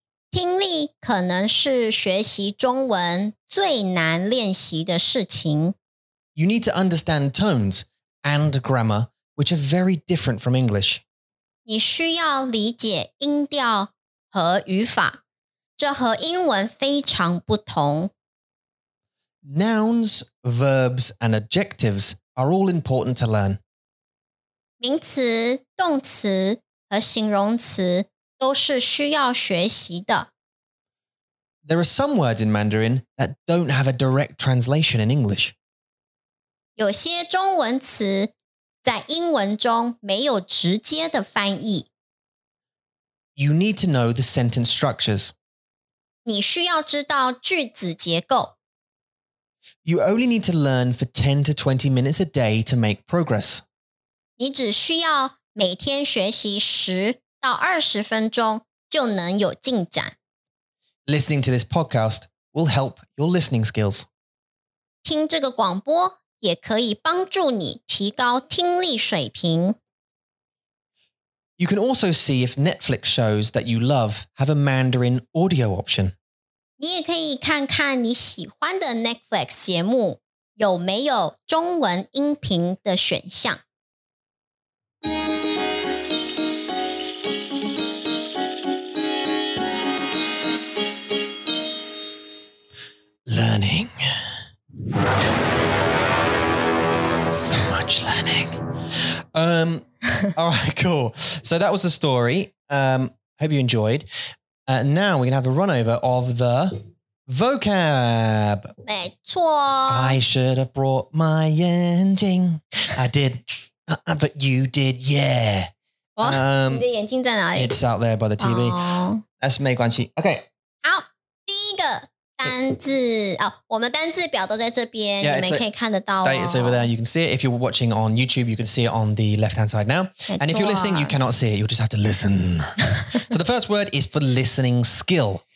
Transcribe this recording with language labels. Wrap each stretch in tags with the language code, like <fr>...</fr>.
<zh>听力可能是学习中文最难练习的事情。</zh> <en>You need to understand tones and grammar, which are very different from English.</en> <zh>你需要理解音调和语法，这和英文非常不同。</zh> <en>Nouns, verbs, and adjectives are all important to learn.</en> <zh>名词、动词和形容词都是需要学习的。</zh> <en>There are some words in Mandarin that don't have a direct translation in English.</en> <zh>有些中文词在英文中没有直接的翻译。</zh> <en>You need to know the sentence structures.</en> <zh>你需要知道句子结构。</zh> <en>You only need to learn for 10 to 20 minutes a day to make progress.</en> <zh>你只需要每天学习十到二十分钟就能有进展。</zh> <en>Listening to this podcast will help your listening skills.</en> <zh>听这个广播也可以帮助你提高听力水平。</zh> <en>You can also see if Netflix shows that you love have a Mandarin audio option.</en> <zh>你也可以看看你喜欢的 Netflix 节目有没有中文音频的选项。</zh> <en>Learning. So much learning. All right, cool. So that was the story. Hope you enjoyed. Now we're going to have a run over of the Vocab.</en> <zh>没错。</zh> <en>I should have brought my yanjing. I did. But you did, yeah. What?</en> <zh>你的眼镜在哪里?</zh> <en>It's out there by the TV. Oh. That's</en> <zh>没关系.</zh> <en>Okay.</en> <zh>好,第一个单字, 我们单字表都在这边, yeah, 你们可以看得到哦。</zh> <en>It's over there, you can see it. If you're watching on YouTube, you can see it on the left-hand side now.</en> <zh>没错啊。</zh> <en>And if you're listening, you cannot see it. You'll just have to listen. So the first word is for listening skill.</en>